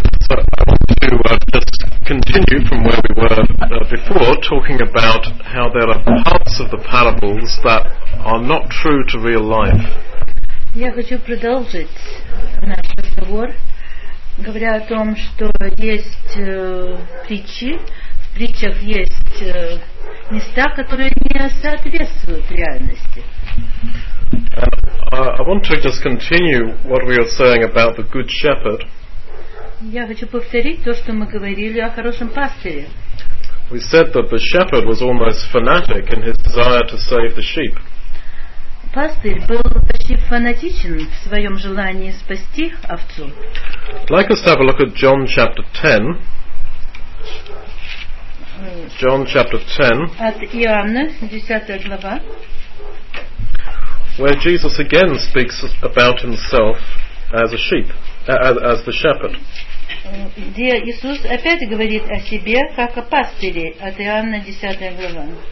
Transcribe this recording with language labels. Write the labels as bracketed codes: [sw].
[en] continue from where we were before, talking about how there are parts of the parables that are not true to real life. [ru] Я хочу продолжить наш разговор, говоря о том, что есть притчи. В притчах есть места, которые не соответствуют реальности. [en] I want to just continue what we were saying about the good shepherd. [ru] Я хочу повторить то, что мы говорили о хорошем пастыре. [en] We said that the shepherd was almost fanatic in his desire to save the sheep. [ru] Пастырь был почти фанатичен в своем желании спасти овцу. [en] Like us to have a look at John chapter 10. John chapter 10. [ru] От Иоанна, 10 глава. [en] Where Jesus again speaks about himself as a sheep, as the shepherd. [ru] Где Иисус опять говорит о себе как о пастыре, от Иоанна 10 глава.